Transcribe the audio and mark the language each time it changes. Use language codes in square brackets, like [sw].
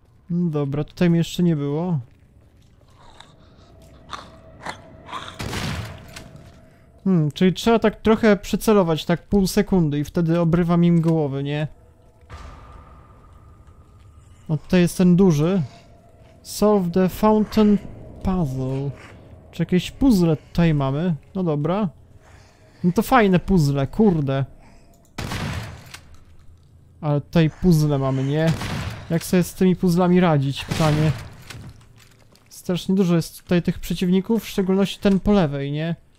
[pl] Dobra, tutaj mi jeszcze nie było. Czyli trzeba tak trochę przycelować, tak pół sekundy i wtedy obrywam im głowy, nie? O, tutaj jest ten duży. [en] Solve the fountain puzzle. [pl] Czy jakieś puzzle tutaj mamy? No dobra. No to fajne puzzle, kurde. Ale tutaj puzzle mamy, nie? Jak sobie z tymi puzzlami radzić, pytanie. Strasznie dużo jest tutaj tych przeciwników, w szczególności ten po lewej, nie?